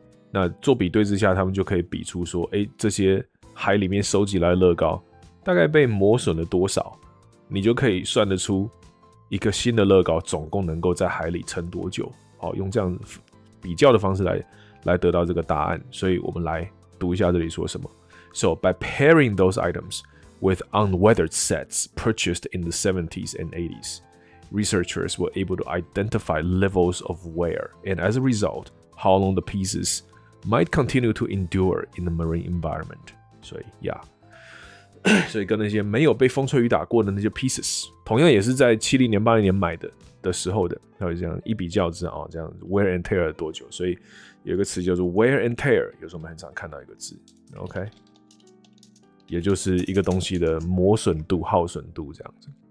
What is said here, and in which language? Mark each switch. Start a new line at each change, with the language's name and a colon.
Chinese: 那做比对之下，他们就可以比出说，哎、欸，这些海里面收集来的乐高大概被磨损了多少，你就可以算得出一个新的乐高总共能够在海里撑多久。好、哦，用这样比较的方式来得到这个答案。所以我们来读一下这里说什么。
English: So by pairing those items. With unweathered sets purchased in the 70s and 80s, researchers were able to identify levels of wear, and as a result, how long the pieces might continue to endure in the marine environment. So, yeah.
Chinese: 所以跟那些没有被风吹雨打过的那些 pieces， 同样也是在70年、80年买的时候的，还有这样一比较之啊、哦，这样 wear and tear 多久？所以有一个词叫做 wear and tear， 有时候我们很常看到一个字 ，OK。也就是一个东西的磨损度、耗损度这样子。